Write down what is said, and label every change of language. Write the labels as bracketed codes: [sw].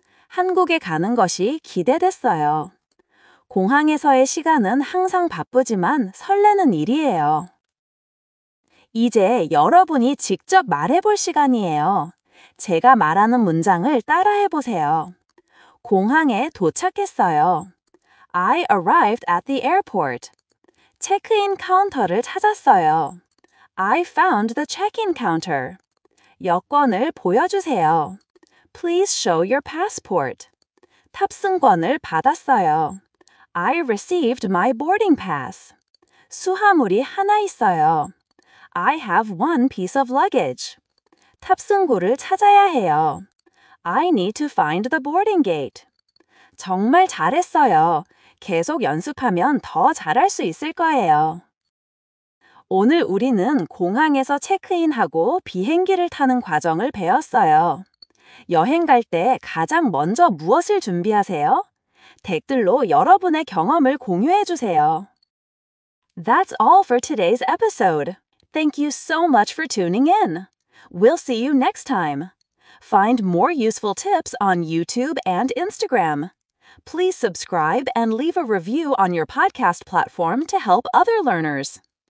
[ko] 한국에 가는 것이 기대됐어요. 공항에서의 시간은 항상 바쁘지만 설레는 일이에요. 이제 여러분이 직접 말해볼 시간이에요. 제가 말하는 문장을 따라해보세요. 공항에 도착했어요. [en] I arrived at the airport. [ko] 체크인 카운터를 찾았어요. [en] I found the check-in counter. [ko] 여권을 보여주세요. [en] Please show your passport. [ko] 탑승권을 받았어요. [en] I received my boarding pass. [ko] 수화물이 하나 있어요. [en] I have one piece of luggage. [ko] 탑승구를 찾아야 해요. [en] I need to find the boarding gate. [ko] 정말 잘했어요. 계속 연습하면 더 잘할 수 있을 거예요. 오늘 우리는 공항에서 체크인하고 비행기를 타는 과정을 배웠어요. 여행 갈 때 가장 먼저 무엇을 준비하세요? 댓글로 여러분의 경험을 공유해 주세요. [en] That's all for today's episode. Thank you so much for tuning in. We'll see you next time. Find more useful tips on YouTube and Instagram. Please subscribe and leave a review on your podcast platform to help other learners.